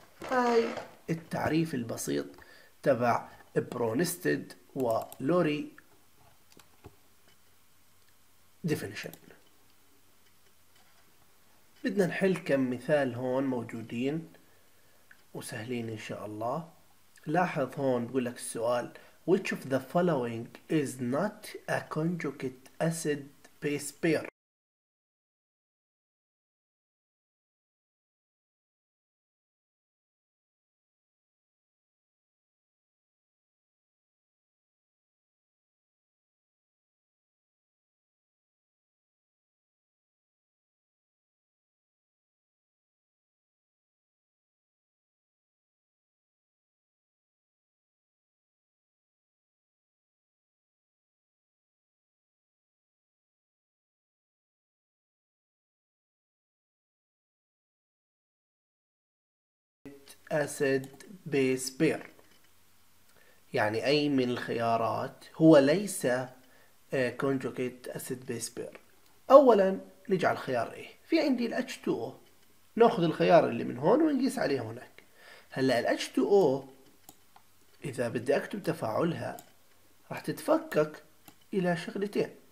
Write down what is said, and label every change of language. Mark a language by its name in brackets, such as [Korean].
[Arabic] هاي التعريف البسيط تبع برونستد ولوري ديفينيشن. بدنا نحل كم مثال هون موجودين وسهلين ان شاء الله. لاحظ هون بقول لك السؤال [English] which of the following is not a conjugate acid base pair. [Arabic] acid base pair يعني أي من الخيارات هو ليس conjugate acid base pair. أولا نجعل خيار A، في عندي ال H2O، نأخذ الخيار اللي من هون ونقيس عليه هناك. هلأ ال H2O إذا بدي أكتب تفاعلها راح تتفكك إلى شغلتين،